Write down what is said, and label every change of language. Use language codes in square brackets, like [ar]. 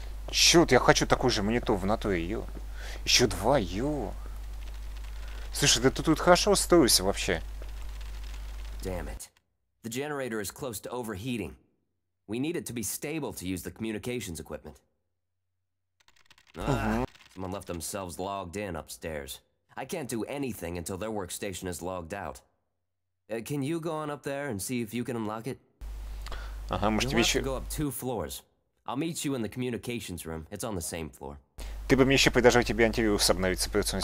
[ru] Чёрт, я хочу такой же монитор в натуре, ё. Еще два, ё. Слушай, да ты тут хорошо устроился вообще. [en] Damn it. The generator is close to overheating. We need it to be stable to use the communications equipment. Someone left themselves logged in upstairs. I can't do anything until their workstation is logged out. Can you go on up there and see if you can unlock it? [ru] Ага, может [en] You'll have to go up two floors. I'll meet you in the communications room. It's on the same floor. [ru] Ты бы мне еще предложил тебе антивирус обновить с операционной